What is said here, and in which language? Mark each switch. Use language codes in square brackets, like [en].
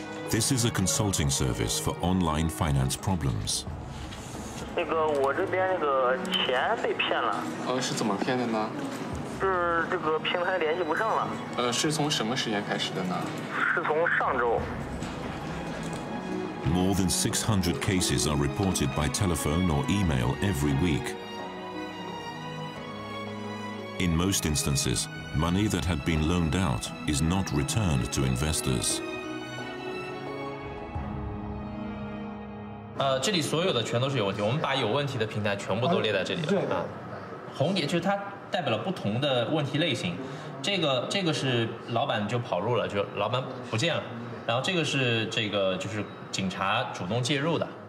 [en] This is a consulting service for online finance problems. [zh] 那个我这边那个钱被骗了。是怎么骗的呢？是这个平台联系不上了。是从什么时间开始的呢？是从上周。 [en] More than 600 cases are reported by telephone or email every week. In most instances, money that had been loaned out is not returned to investors. [zh] 这里所有的全都是有问题，我们把有问题的平台全部都列在这里了。对啊，红点就是它代表了不同的问题类型。这个是老板就跑路了，就老板不见了。然后这个是这个就是警察主动介入的。